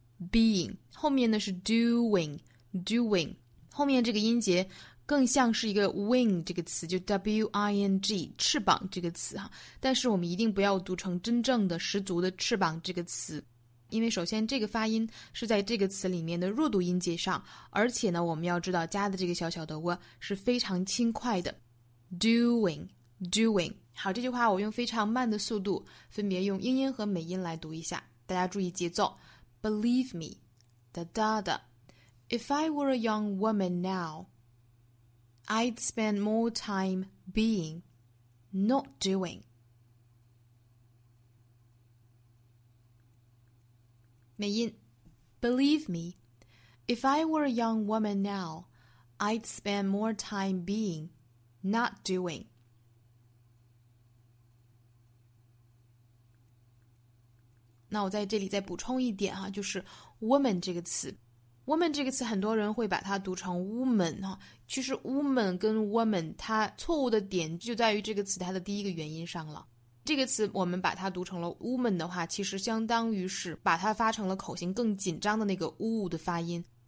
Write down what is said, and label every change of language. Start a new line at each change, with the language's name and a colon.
Chinese: being, 后面呢是 doing, doing, 后面这个音节更像是一个 wing 这个词，就 w-i-n-g, 翅膀这个词哈，但是我们一定不要读成真正的十足的翅膀这个词，因为首先这个发音是在这个词里面的弱读音节上，而且呢我们要知道加的这个小小的 w 是非常轻快的doing, doing. 好，这句话我用非常慢的速度分别用英音和美音来读一下，大家注意节奏。
English: Believe me, da da da. If I were a young woman now, I'd spend more time being, not doing.
Chinese: 美音。
English: Believe me, if I were a young woman now, I'd spend more time beingNot doing.
Chinese: 那我在这里再补充一点哈，就是 woman 这个词。 woman 这个词很多人会把它读成 woman, 其实 woman 跟 woman 它错误的点就在于这个词它的第一个元音上了。这个词我们把它读成了 woman 的话，其实相当于是把它发成了口型更紧张的那个 w 的发音。